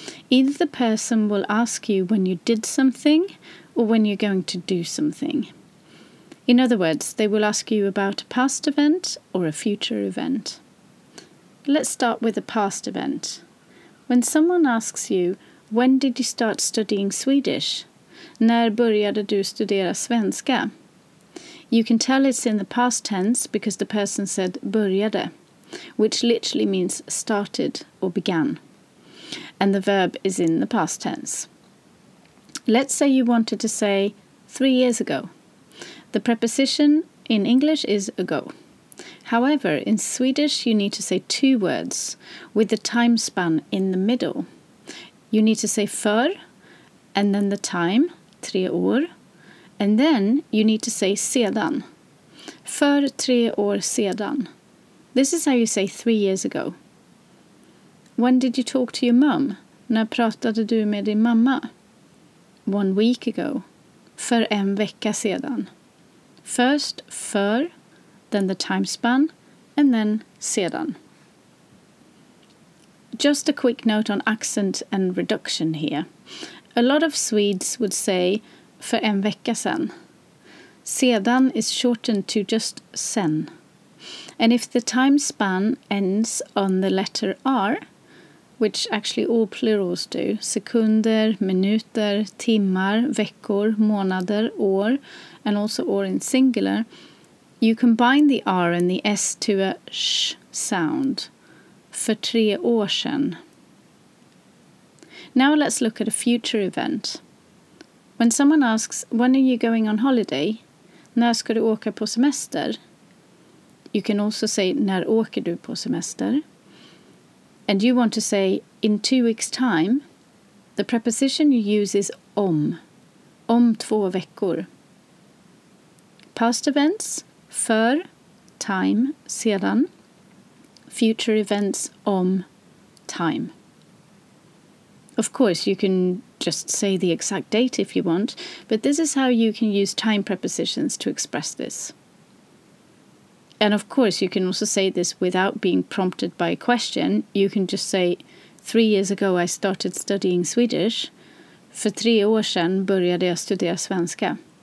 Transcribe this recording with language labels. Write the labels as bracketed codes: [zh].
[en] Either the person will ask you when you did something or when you're going to do something. In other words, they will ask you about a past event or a future event. Let's start with a past event. When someone asks you, when did you start studying Swedish? [sv] När började du studera svenska? [en] You can tell it's in the past tense because the person said började, which literally means started or began. And the verb is in the past tense. Let's say you wanted to say 3 years ago. The preposition in English is ago. However, in Swedish you need to say two words with the time span in the middle. You need to say för and then the time, 3 år, and then you need to say sedan. [sv] För 3 år sedan. [en] This is how you say 3 years ago. When did you talk to your mum? [sv] När pratade du med din mamma? [en] 1 week ago. [sv] För en vecka sedan. [en] First, för, then the time span, and then sedan. Just a quick note on accent and reduction here. A lot of Swedes would say [sv] för en vecka sedan. [en] Sedan is shortened to just sen. And if the time span ends on the letter R, which actually all plurals do, sekunder, minuter, timmar, veckor, månader, år, and also år in singular, you combine the R and the S to a sh sound. [sv] För 3 år sedan. [en] Now let's look at a future event. When someone asks, when are you going on holiday? [sv] När ska du åka på semester? [en] You can also say, [sv] när åker du på semester? [en] And you want to say, in 2 weeks' time. The preposition you use is [sv] om 2 veckor. [en] Past events, för, time, sedan. Future events, om, time. Of course, you can just say the exact date if you want, but this is how you can use time prepositions to express this. And of course, you can also say this without being prompted by a question. You can just say, 3 years ago I started studying Swedish. [sv] För 3 år sedan började jag studera svenska.